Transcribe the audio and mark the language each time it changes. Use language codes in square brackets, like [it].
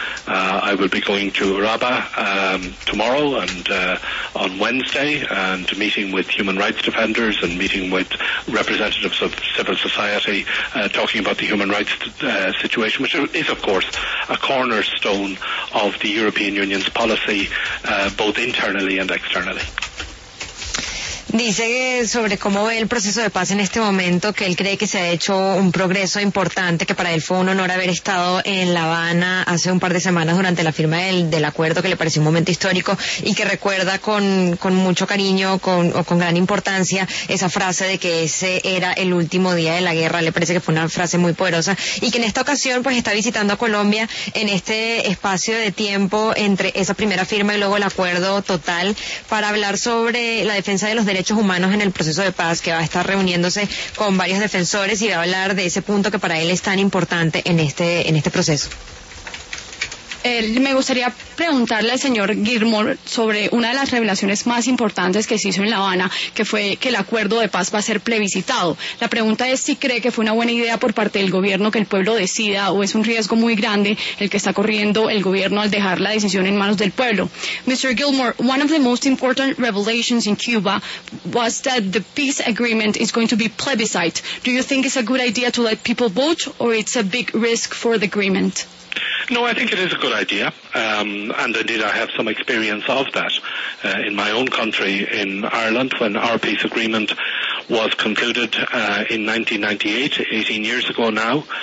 [en] I will be going to Urabá tomorrow and on Wednesday, and meeting with human rights defenders and meeting with representatives of civil society, talking about the human rights situation, which is, of course, a cornerstone of the European Union's policy, both internally and externally. [es] Dice sobre cómo ve el proceso de paz en este momento, que él cree que se ha hecho un progreso importante, que para él fue un honor haber estado en La Habana hace un par de semanas durante la firma del acuerdo, que le pareció un momento histórico, y que recuerda con mucho cariño con gran importancia esa frase de que ese era el último día de la guerra. Le parece que fue una frase muy poderosa, y que en esta ocasión pues está visitando a Colombia en este espacio de tiempo entre esa primera firma y luego el acuerdo total, para hablar sobre la defensa de los derechos humanos en el proceso de paz, que va a estar reuniéndose con varios defensores y va a hablar de ese punto que para él es tan importante en este proceso. Me gustaría preguntarle al señor Gilmour sobre una de las revelaciones más importantes que se hizo en La Habana, que fue que el acuerdo de paz va a ser plebiscitado. La pregunta es si cree que fue una buena idea por parte del gobierno que el pueblo decida, o es un riesgo muy grande el que está corriendo el gobierno al dejar la decisión en manos del pueblo. [en] Mr. Gilmour, one of the most important revelations in Cuba was that the peace agreement is going to be plebiscite. Do you think it's a good idea to let people vote, or it's a big risk for the agreement? No, I think it is a good idea, and indeed I have some experience of that in my own country, in Ireland, when our peace agreement was concluded in 1998, 18 years ago now.